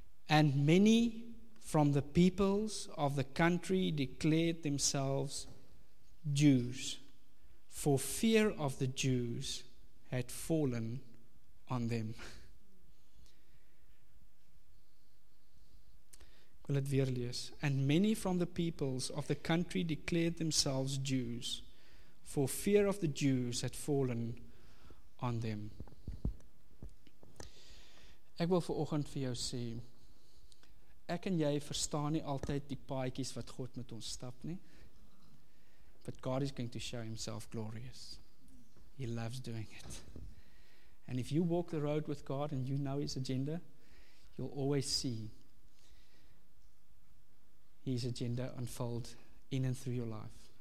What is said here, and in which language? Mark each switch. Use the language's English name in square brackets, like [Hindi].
[English] And many from the peoples of the country declared themselves Jews, for fear of the Jews had fallen on them. [Afrikaans] Ek wil dit weer lees. [English] And many from the peoples of the country declared themselves Jews, for fear of the Jews had fallen on them. [Afrikaans] Ek wil vanoggend vir jou sê, ek en jy verstaan nie altyd die paadjies wat God met ons stap nie. [English] But God is going to show himself glorious. He loves doing it. And if you walk the road with God and you know his agenda, you'll always see his agenda unfold in and through your life.